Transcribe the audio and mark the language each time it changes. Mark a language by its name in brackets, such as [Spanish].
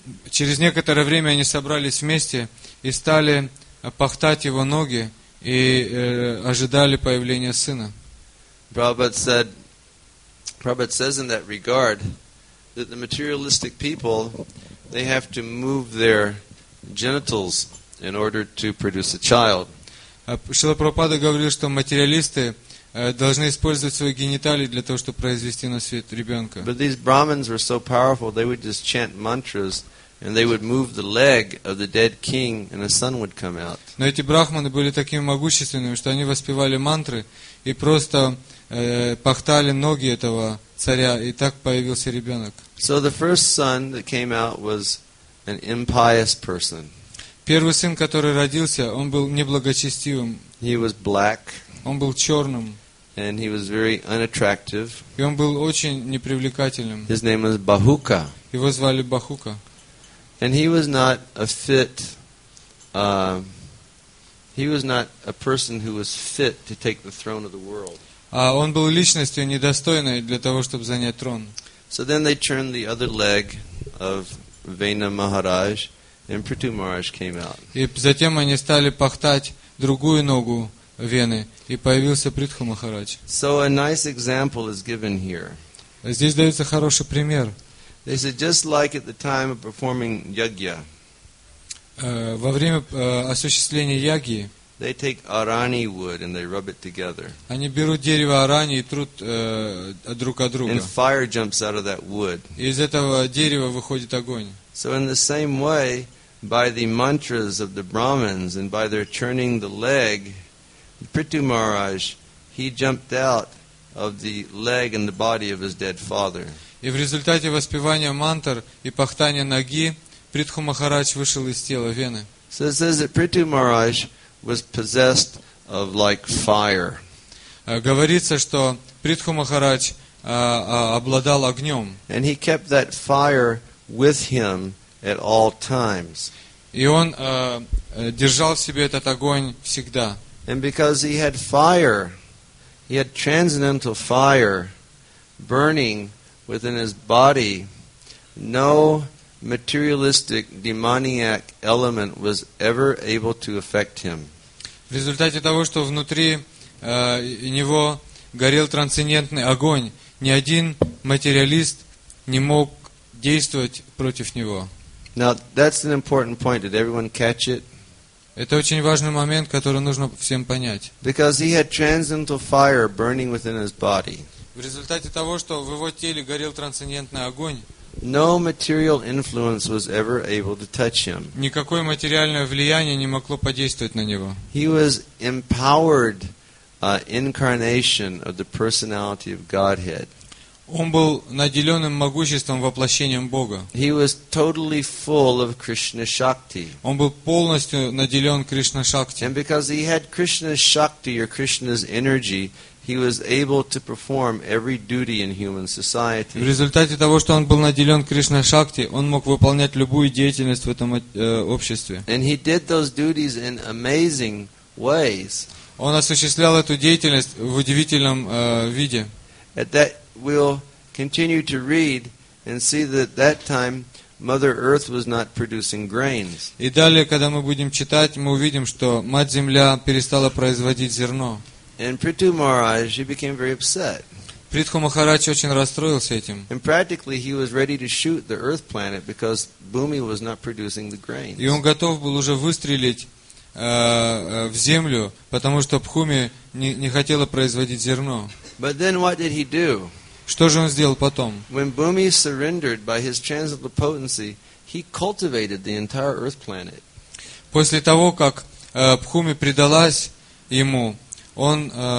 [Russian] Через некоторое время они собрались вместе и стали пахтать его ноги и ожидали появления сына. [English] Prabhupada says in that regard that the materialistic people, they have to move their genitals in order to produce a child. [Russian] Шрила Прабхупада говорил, что материалисты должны использовать свои гениталии для того, чтобы произвести на свет ребенка. [English] But these Brahmins were so powerful, they would just chant mantras and they would move the leg of the dead king and a son would come out. [Russian] Но эти брахманы были такими могущественными, что они воспевали мантры и просто пахтали ноги этого царя, и так появился ребенок. [English] So the first son that came out was an impious person. [Russian] Первый сын, который родился, он был неблагочестивым. [English] He was black. [Russian] Он был черным. [English] And he was very unattractive. [Russian] И он был очень непривлекательным. [English] His name was Bahuka. [Russian] Его звали Бахука. [English] And he was not a fit. He was not a person who was fit to take the throne of the world. [Russian] А он был личностью недостойной для того, чтобы занять трон. [English] So then they turned the other leg of Vena Maharaj. And Prithu Maharaj came out. [Russian] И затем они стали пахтать другую ногу Вены, и появился Притху Махарадж. [English] So a nice example is given here. [Russian] Здесь дается хороший пример. [English] They said just like at the time of performing yagya. [Russian] Во время осуществления яги. [English] They take арани wood and they rub it together. [Russian] Они берут дерево арани и трут друг о друга. [English] And fire jumps out of that wood. [Russian] Из этого дерева выходит огонь. [English] So in the same way, by the mantras of the Brahmins and by their churning the leg, Prithu Maharaj, he jumped out of the leg and the body of his dead father. [Russian] И в результате воспевания мантр и пахтания ноги Притху Махарадж вышел из тела Вены. [English] So it says that Prithu Maharaj was possessed of like fire. [Russian] Говорится, что Притху Махарадж обладал огнем. [English] And he kept that fire with him at all times. [Russian] И он держал в себе этот огонь всегда. [English] And because he had fire, he had transcendental fire burning within his body, no materialistic demoniac element was ever able to affect him. [Russian] В результате того, что внутри него горел трансцендентный огонь, ни один материалист не мог действовать против него. [English] Now, that's an important point. Did everyone catch it? [Russian] Это очень важный момент, который нужно всем понять. [English] Because he had transcendental fire burning within his body. [Russian] В результате того, что в его теле горел трансцендентный огонь, [English] no material influence was ever able to touch him. [Russian] Никакое материальное влияние не могло подействовать на него. [English] He was empowered incarnation of the personality of Godhead. [Russian] Он был наделенным могуществом, воплощением Бога. [English] He was totally full of Krishna Shakti. [Russian] Он был полностью наделен Кришна Шакти. [English] And because he had Krishna Shakti or Krishna's energy, he was able to perform every duty in human society. [Russian] В результате того, что он был наделен Кришна Шакти, он мог выполнять любую деятельность в этом обществе. [English] And he did those duties in amazing ways. [Russian] Он осуществлял эту деятельность в удивительном виде. [English] At that we'll continue to read and see that that time Mother Earth was not producing grains. [Russian] И далее, когда мы будем читать, мы увидим, что Мать Земля перестала производить зерно. [English] And Prithu Maharaj, he became very upset. [Russian] Притху Махарадж очень расстроился этим. [English] And practically he was ready to shoot the Earth planet because Bhumi was not producing the grains. [Russian] И он готов был уже выстрелить в землю, потому что Бхуми не хотела производить зерно. [English] But then what did he do? [Russian] Что же он сделал потом? [English] When Bhumi surrendered by his transcendental potency, he cultivated the entire Earth planet. [Russian] После того, как Бхуми предалась ему, он